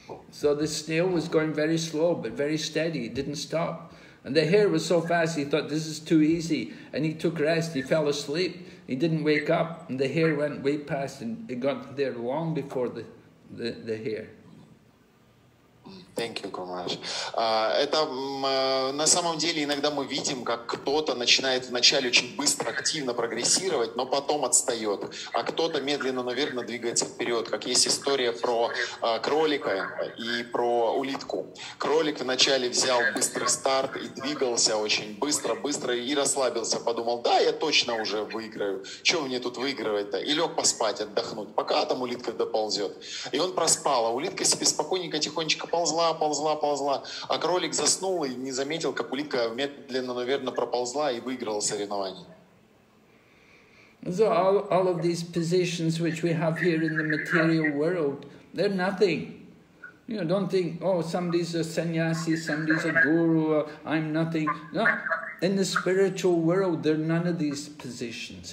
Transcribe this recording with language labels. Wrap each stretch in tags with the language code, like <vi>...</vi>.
<en>So the snail was going very slow, but very steady, it didn't stop. And the hare was so fast, he thought, this is too easy, and he took rest, he fell asleep, he didn't wake up, and the hare went way past, and it got there long before the hare. Thank you, Guru Maharaj.</en> <ru>Это на самом деле иногда мы видим, как кто-то начинает вначале очень быстро, активно прогрессировать, но потом отстает, а кто-то медленно, но верно двигается вперед. Как есть история про кролика и про улитку. Кролик вначале взял быстрый старт и двигался очень быстро и расслабился, подумал, да, я точно уже выиграю. Чего мне тут выигрывать-то? И лег поспать, отдохнуть, пока там улитка доползет. И он проспал, а улитка себе спокойненько, тихонечко ползла, а кролик заснул и не заметил, как улитка медленно, но верно проползла и выиграла соревнование.</ru> <en>So all of these positions which we have here in the material world, they're nothing. You know, don't think, oh, somebody's a sannyasi, somebody's a guru, I'm nothing. No, in the spiritual world, there are none of these positions.</en>